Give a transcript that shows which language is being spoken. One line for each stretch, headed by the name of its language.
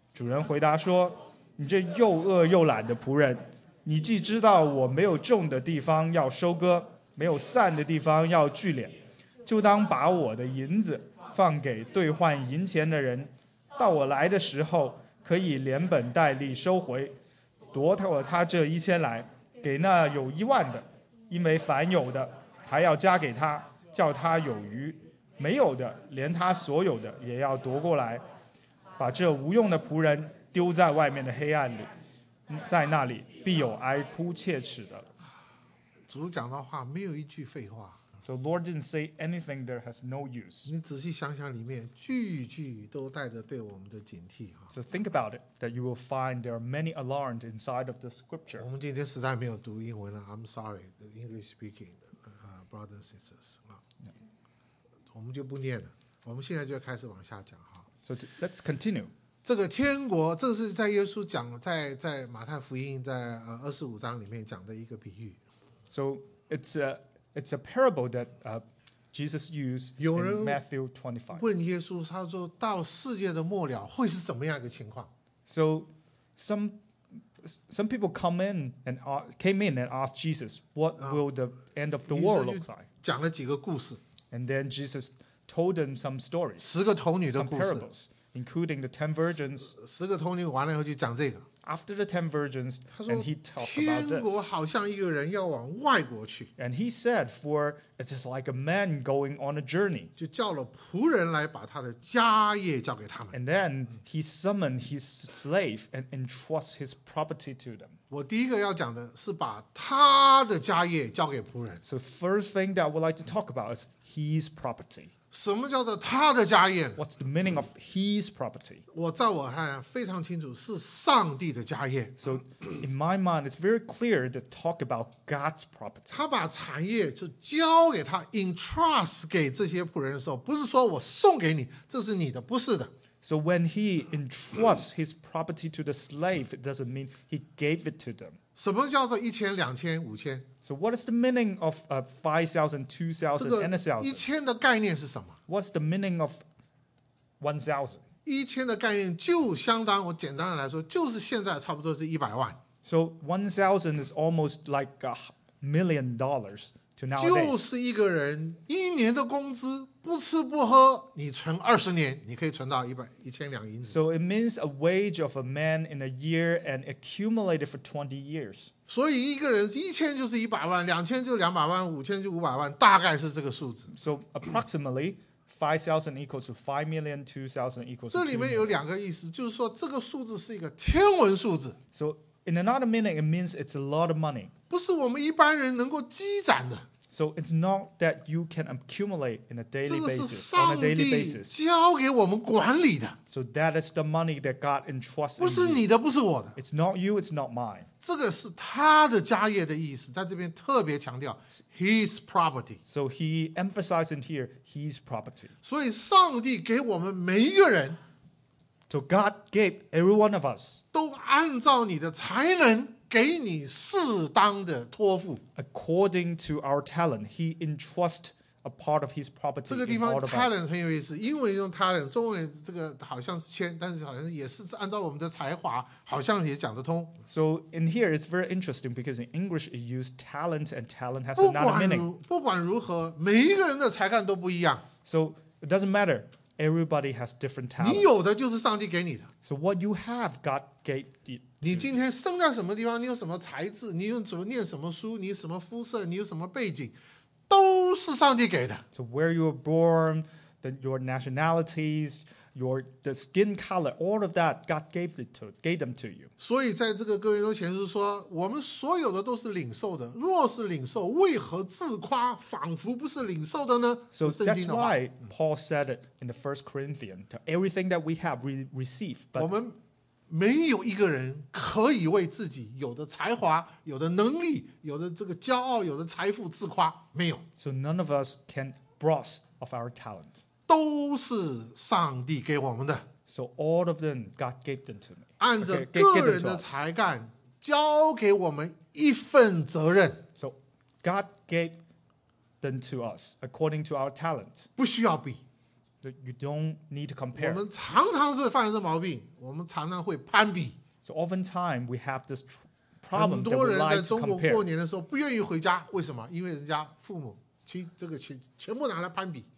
Chinese: 主人回答说：“你这又饿又懒的仆人，你既知道我没有种的地方要收割，没有散的地方要聚敛，就当把我的银子放给兑换银钱的人，到我来的时候可以连本带利收回，夺了他这一千来，给那有一万的，因为凡有的还要加给他，叫他有余；没有的，连他所有的也要夺过来。把这无用的仆人丢在外面的黑暗里，在那里必有哀哭切齿的。” 主讲的话没有一句废话。
English: So Lord didn't say anything that has no use.
Chinese: 你仔细想想，里面句句都带着对我们的警惕。
English: So think about it, that you will find there are many alarms inside of the scripture.
Chinese: 我们今天实在没有读英文了，
English: I'm sorry, the English speaking, brothers and sisters.
Chinese: 我们就不念了，我们现在就开始往下讲。
English: So let's continue.
Chinese: 这个天国，这是在耶稣讲，在马太福音在二十五章里面讲的一个比喻。
English: So it's a parable that Jesus used in Matthew 25.
Chinese: 问耶稣，他说到世界的末了会是什么样的情况。
English: So some people came in and asked Jesus, what will the end of the world look like?
Chinese: 讲了几个故事。
English: And then Jesus told them some stories.
Chinese: 十个童女的故事。
English: Some parables, including the 10 virgins.
Chinese: 十个童女完了以后就讲这个。
English: After the 10 virgins, and he talked about this.
Chinese: 天国好像一个人要往外国去。
English: And he said, for it is like a man going on a journey.
Chinese: 就叫了仆人来把他的家业交给他们。
English: And then he summoned his slave and entrusted his property to them.
Chinese: 我第一个要讲的是把他的家业交给仆人。
English: So first thing that I would like to talk about is his property.
Chinese: 什么叫做他的家业？
English: What's the meaning of his property?
Chinese: 我在我看来非常清楚，是上帝的家业。
English: So in my mind, it's very clear to talk about God's property.
Chinese: 他把产业就交给他 ，entrust 给这些仆人的时候，不是说我送给你，这是你的，不是的。
English: So when he entrusts his property to the slave, it doesn't mean he gave it to them.
Chinese: 什么叫做一千、两千、五千？
English: So what is the meaning of 5,000, 2,000, and 1,000?
Chinese: 一千的概念是什么？
English: What's the meaning of 1,000?
Chinese: 一千的概念就相当，我简单的来说，就是现在差不多是一百万。
English: So 1,000 is almost like $1,000,000 to nowadays.
Chinese: 就是一个人一年的工资。不吃不喝，你存二十年，你可以存到一千两银子。
English: So it means a wage of a man in a year and accumulated for 20 years.
Chinese: 所以一个人一千就是一百万，两千就两百万，五千就五百万，大概是这个数字。
English: So approximately 5,000 equals to 5 million, 2,000 equals.
Chinese: 这里面有两个意思，就是说这个数字是一个天文数字。
English: So in another meaning, it means it's a lot of money.
Chinese: 不是我们一般人能够积攒的。
English: So it's not that you can accumulate in a daily basis, on a daily basis.
Chinese: 这个是上帝交给我们管理的。
English: So that is the money that God entrusted.
Chinese: 不是你的，不是我的。
English: It's not you, it's not mine.
Chinese: 这个是他的家业的意思，在这边特别强调
English: his property. So he emphasizes here his property.
Chinese: 所以上帝给我们每一个人。
English: So God gave every one of us.
Chinese: 都按照你的才能。给你适当的托付
English: According to our talent, he entrusts a part of his property.
Chinese: 这个地方 talent 很有意思，英文用 talent， 中文这个好像是谦，但是好像也是按照我们的才华，好像也讲得通。
English: So in here, it's very interesting because in English, it used talent, and talent has another meaning.
Chinese: 不管如何，每一个人的才干都不一样。
English: So it doesn't matter. Everybody has different talent.
Chinese: 你有的就是上帝给你的。
English: So what you have, God gave you.
Chinese: 你今天生在什么地方，你有什么才智，你用怎么念什么书，你什么肤色，你有什么背景，都是上帝给的。
English: So where you were born, your nationalities, the skin color, all of that, God gave them to you.
Chinese: 所以在这个哥林多前书说，我们所有的都是领受的，若是领受，为何自夸，仿佛不是领受的呢？
English: So that's why Paul said it in the first Corinthians, everything that we have, we receive, but...
Chinese: 我们没有一个人可以为自己有的才华、有的能力、有的这个骄傲、有的财富自夸，没有。
English: So none of us can boast of our talent.
Chinese: 都是上帝给我们的。
English: So all of them, God gave them to me.
Chinese: 按着个人的才干，交给我们一份责任。
English: So God gave them to us according to our talent.
Chinese: 不需要比。
English: You don't need to compare.
Chinese: 我们常常是犯这毛病，我们常常会攀比。
English: So oftentimes we have this problem.
Chinese: 很多人在中国过年的时候不愿意回家，为什么？因为人家父母全部拿来攀比。